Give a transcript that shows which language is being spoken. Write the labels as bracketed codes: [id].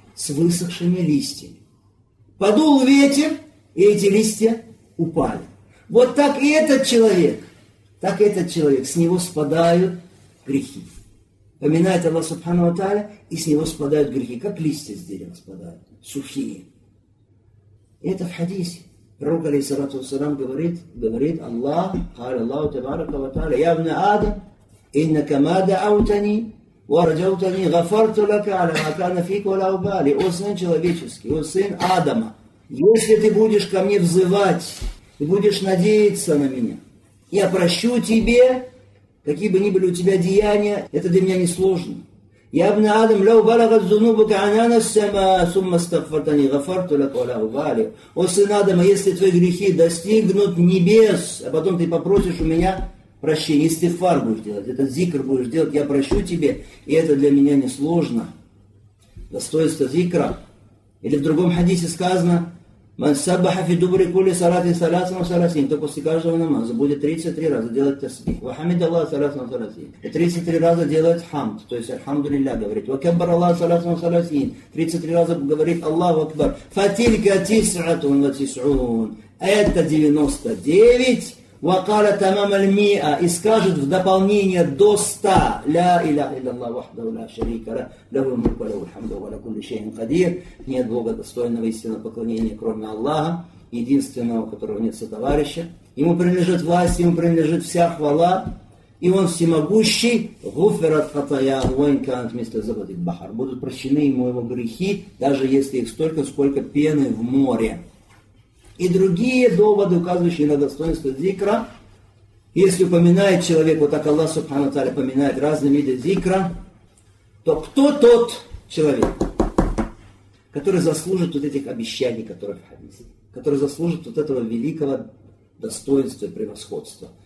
[ru] С высохшими листьями. Подул ветер, и эти листья упали. Вот так и этот человек, с него спадают грехи. Поминает Аллах Субхану ва Тааля, и с него спадают грехи, как листья с дерева спадают, сухие. И это в хадисе. Пророк, алейхиссалату вассалам, говорит Аллах, [ar] قال الله تبارك وتعالى: يا ابن آدم إنك ما دعوتني ورجوتني غفرت لك على ما كان فيك ولا أبالي. [ru] О сын человеческий, о сын Адама, если ты будешь ко мне взывать и будешь надеяться на меня, я прощу тебе, какие бы ни были у тебя деяния, это для меня несложно. [ar] Я ابن Адам, لو بلغت ذنوبك عنان السماء ثم استغفرتني غفرت لك ولا أبالي. [ru] О сын Адама, если твои грехи достигнут небес, а потом ты попросишь у меня прощения, истифар будешь делать, этот зикр будешь делать, я прощу тебе, и это для меня несложно. Достоинство зикра. Или в другом хадисе сказано: [ar] من سبح في دبر كل صلاة ثلاثة وثلاثين. [ru] То после каждого намаза будет 33 раза делать тасбих. [ar] وحمد الله ثلاثة وثلاثين. [ru] 33 раза делать хамд. То есть Альхамдулилля говорит. [ar] وكبر الله ثلاثة وثلاثين. [ru] 33 раза говорит Аллаху Акбар. [ar] فتلك تسعة وتسعون. [ru] Это 99. [ar] وقال تمام المئة. [ru] И скажет в дополнение до 100. [ar] لا إله إلا الله وحده لا شريك له. له الملك وله الحمد وهو على كل شيء قدير. [ru] Нет Бога достойного истинного поклонения, кроме Аллаха, единственного, у которого нет сотоварища. Ему принадлежит власть, ему принадлежит вся хвала. И он всемогущий. [ar] غفرت خطاياه وإن كانت مثل زبد البحر. [ru] Будут прощены ему его грехи, даже если их столько, сколько пены в море. И другие доводы, указывающие на достоинство зикра, если упоминает человек, вот так Аллах Субхану Тааля упоминает разные виды зикра, то кто тот человек, который заслужит вот этих обещаний, которые в хадисе, который заслужит вот этого великого достоинства и превосходства?